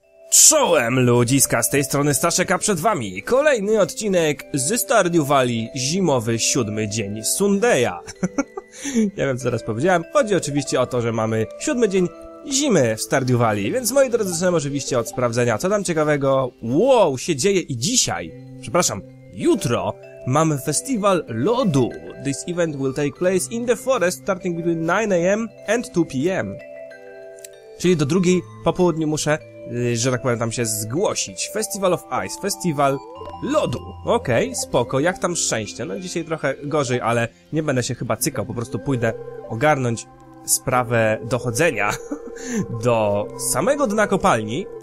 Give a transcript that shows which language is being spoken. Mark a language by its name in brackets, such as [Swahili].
[Polish] Czołem ludziska, z tej strony Staszek, a przed wami kolejny odcinek z Stardew Valley, zimowy siódmy dzień Sundaya. Nie wiem, co teraz powiedziałem, chodzi oczywiście o to, że mamy siódmy dzień zimy w Stardew Valley, więc moi drodzy, zaczynamy oczywiście od sprawdzenia, co tam ciekawego, wow, się dzieje i dzisiaj, przepraszam, jutro mamy festiwal lodu. [English] This event will take place in the forest starting between 9 AM and 2 PM. [Polish] Czyli do drugiej po południu muszę, że tak powiem, tam się zgłosić. Festival of Ice, festiwal lodu. Okej, spoko, jak tam szczęście? No dzisiaj trochę gorzej, ale nie będę się chyba cykał, po prostu pójdę ogarnąć sprawę dochodzenia do samego dna kopalni.